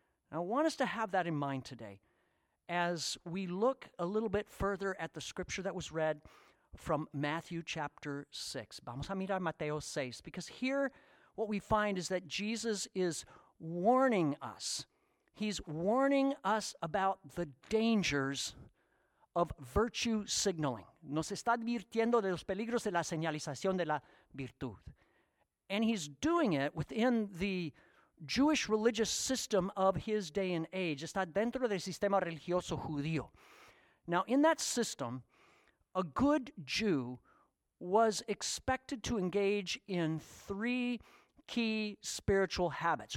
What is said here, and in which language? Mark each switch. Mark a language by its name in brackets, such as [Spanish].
[English] Now, I want us to have that in mind today as we look a little bit further at the scripture that was read from Matthew chapter 6. [Spanish] Vamos a mirar Mateo 6, [English] because here what we find is that Jesus is warning us. He's warning us about the dangers of virtue signaling. [Spanish] Nos está advirtiendo de los peligros de la señalización de la virtud. [English] And he's doing it within the Jewish religious system of his day and age. [Spanish] Está dentro del sistema religioso judío. [English] Now, in that system, a good Jew was expected to engage in three key spiritual habits.